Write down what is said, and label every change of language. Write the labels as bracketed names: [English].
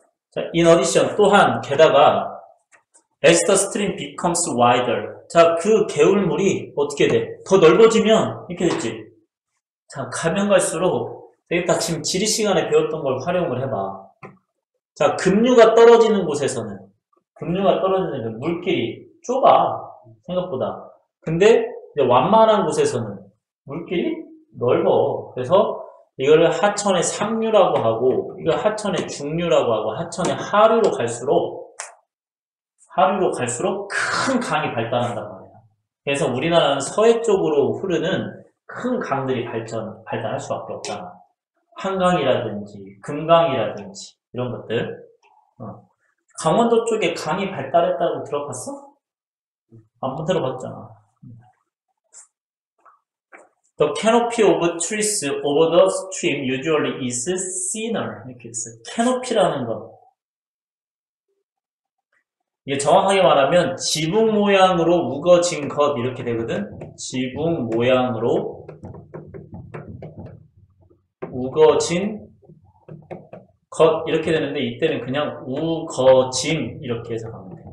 [English] 자, in addition, [Korean] 또한, 게다가, [English] as the stream becomes wider. [Korean] 자, 그 개울물이 어떻게 돼? 더 넓어지면 이렇게 됐지. 자, 가면 갈수록, 되게 다 지금 지리 시간에 배웠던 걸 활용을 해봐. 자, 급류가 떨어지는 곳에서는, 급류가 떨어지는 곳에서 물길이 좁아, 생각보다. 근데, 이제 완만한 곳에서는 물길이 넓어. 그래서, 이거를 하천의 상류라고 하고, 이거 하천의 중류라고 하고, 하천의 하류로 갈수록, 하류로 갈수록 큰 강이 발달한단 말이야. 그래서 우리나라는 서해 쪽으로 흐르는 큰 강들이 발달할 수 밖에 없다. 한강이라든지, 금강이라든지. 이런 것들. 강원도 쪽에 강이 발달했다고 들어봤어? 안 들어봤잖아. [English] The canopy of trees over the stream usually is thinner. [Korean] 이렇게 있어. canopy라는 거. 이게 정확하게 말하면 지붕 모양으로 우거진 것 이렇게 되거든. 지붕 모양으로 우거진 겉 이렇게 되는데 이때는 그냥 우거짐 이렇게 해석하면 돼.